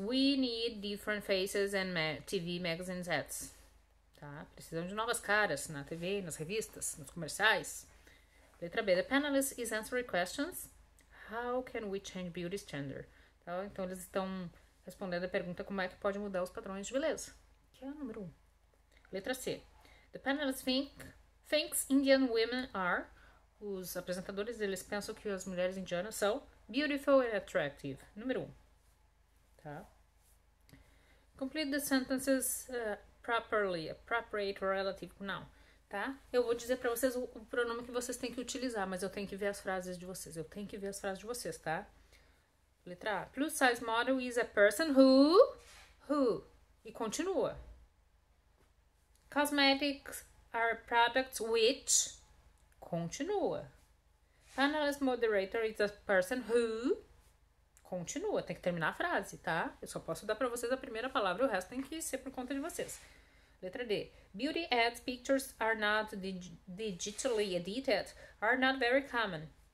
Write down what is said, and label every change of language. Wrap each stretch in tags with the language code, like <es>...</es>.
<en>We need different faces and ma TV magazines ads.</en> <pt>Tá? Precisamos de novas caras na TV, nas revistas, nos comerciais. Letra B.</pt> <en>The panelist is answering questions. How can we change beauty standard?</en> <pt>Então eles estão respondendo a pergunta como é que pode mudar os padrões de beleza, que é o número 1. Letra C.</pt> <en>The panelists thinks Indian women are.</en> <pt>Os apresentadores, eles pensam que as mulheres indianas são</pt> <en>beautiful and attractive.</en> <pt>Número 1. Tá?</pt> <en>Complete the sentences properly, appropriate relative pronoun.</en> <pt>Tá? Eu vou dizer para vocês o pronome que vocês têm que utilizar, mas eu tenho que ver as frases de vocês. Eu tenho que ver as frases de vocês, tá?</pt> <en>Letra A. Plus size model is a person who.</en> <pt>E continua.</pt> <en>Cosmetics are products which.</en> <pt>Continua.</pt> <en>Panelist moderator is a person who.</en> <pt>Continua. Tem que terminar a frase, tá? Eu só posso dar para vocês a primeira palavra, o resto tem que ser por conta de vocês. Letra D.</pt> <en>Beauty ads pictures are not digitally edited, are not very common.</en>